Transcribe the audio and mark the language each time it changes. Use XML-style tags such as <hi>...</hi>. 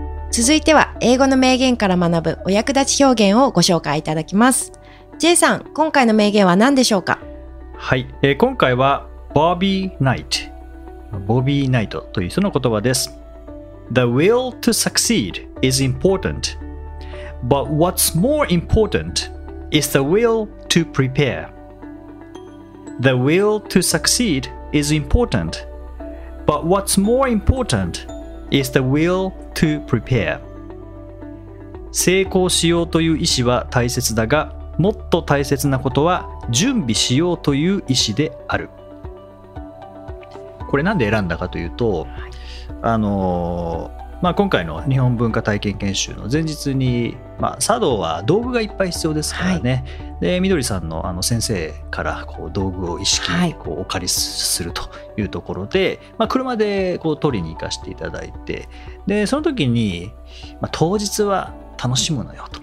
<ja>続いては英語の名言から学ぶお役立ち表現をご紹介いただきます。 J さん、今回の名言は何でしょうか。はい、今回はボビーナイトという人の言葉です。</ja> <en>The will to succeed is important, but what's more importantIs the will to prepare. The will to succeed is important, but what's more important is the will to prepare.</en> <ja>成功しようという意思は大切だが、もっと大切なことは準備しようという意思である。これなんで選んだかというと、まあ、今回の日本文化体験研修の前日に、まあ、茶道は道具がいっぱい必要ですからね、はい、で緑さん の, あの先生からこう道具を一式こうお借りするというところで、はい、まあ、車でこう取りに行かせていただいて、でその時に、まあ、当日は楽しむのよと、</ja>